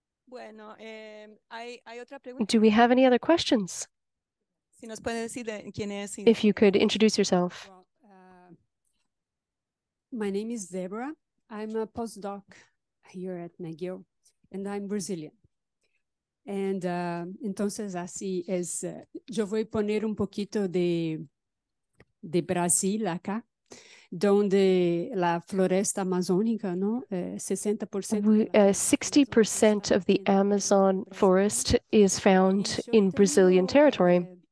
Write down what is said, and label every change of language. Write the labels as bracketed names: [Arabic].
[English] Do we have any other questions? If you could introduce yourself. My name is Deborah. I'm a postdoc here at McGill, and I'm Brazilian. And [Spanish] entonces así es. Yo voy a poner un poquito de Brasil acá, donde la floresta amazónica, no, 60%. [English] 60% of the Amazon forest is found in Brazilian territory.